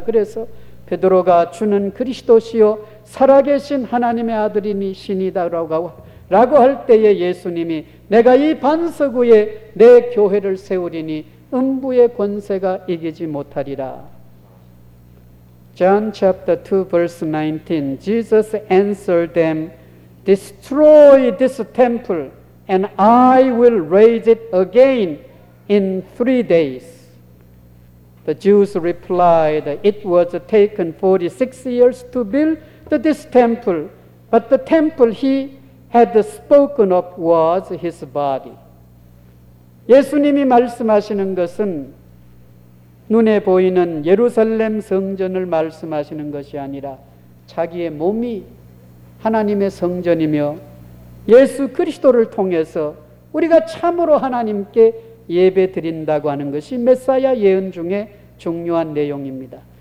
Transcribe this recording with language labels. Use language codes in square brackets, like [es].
[ko] 그래서 베드로가 주는 그리스도시요 살아계신 하나님의 아들이니시니다라고 할 때에 예수님이 내가 이 반석 위에 내 교회를 세우리니 음부의 권세가 이기지 못하리라. [en] John chapter 2 verse 19. Jesus answered them, Destroy this temple and I will raise it again in 3 days. The Jews replied, It was taken 46 years to build this temple, but the temple he had spoken of was his body. [ko] 예수님이 말씀하시는 것은 눈에 보이는 예루살렘 성전을 말씀하시는 것이 아니라 자기의 몸이 하나님의 성전이며 예수 그리스도를 통해서 우리가 참으로 하나님께 예배 드린다고 하는 것이 메시아 예언 중에 중요한 내용입니다.